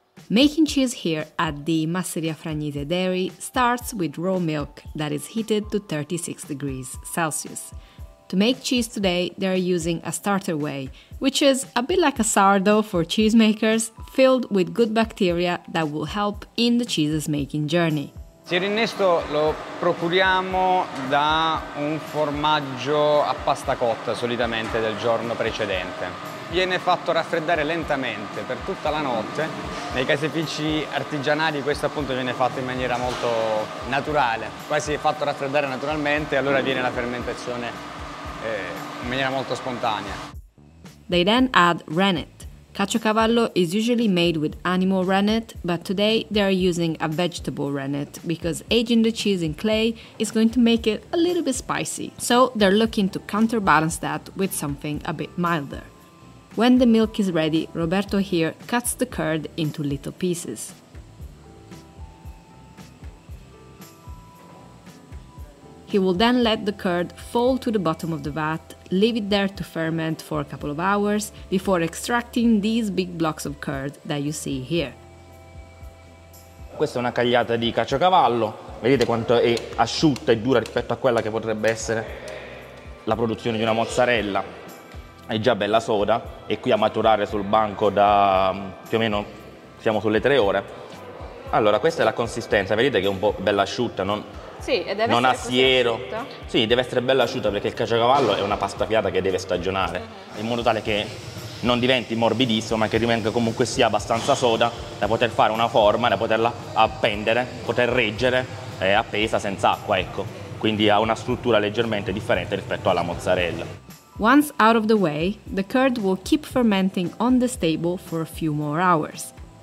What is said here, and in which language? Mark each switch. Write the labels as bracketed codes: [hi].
[en] Making cheese here at the Masseria Fragnite Dairy starts with raw milk that is heated to 36 degrees Celsius. To make cheese today, they are using a starter whey, which is a bit like a sourdough for cheesemakers, filled with good bacteria that will help in the cheese's making journey. [it] Il rinnesto lo procuriamo da un formaggio a pasta cotta, solitamente del giorno precedente. Viene fatto raffreddare lentamente per tutta la notte. Nei caseifici artigianali questo appunto viene fatto in maniera molto naturale. Quasi fatto raffreddare naturalmente, allora viene la fermentazione in maniera molto spontanea. [en] They then add rennet. Caciocavallo is usually made with animal rennet, but today they are using a vegetable rennet because aging the cheese in clay is going to make it a little bit spicy. So they're looking to counterbalance that with something a bit milder. When the milk is ready, Roberto here cuts the curd into little pieces. He will then let the curd fall to the bottom of the vat, leave it there to ferment for a couple of hours before extracting these big blocks of curd that you see here. [it] Questa è una cagliata di caciocavallo. Vedete quanto è asciutta e dura rispetto a quella che potrebbe essere la produzione di una mozzarella. È già bella soda, è qui a maturare sul banco da più o meno, siamo sulle 3 ore. Allora, questa è la consistenza, vedete che è un po' bella asciutta, non, sì, e deve non essere siero. Sì, deve essere bella asciutta perché il caciocavallo è una pasta filata che deve stagionare, in modo tale che non diventi morbidissimo, ma che rimanga comunque sia abbastanza soda da poter fare una forma, da poterla appendere, poter reggere appesa senza acqua, ecco. Quindi ha una struttura leggermente differente rispetto alla mozzarella. [en] Once out of the way, the curd will keep fermenting on this table for a few more hours.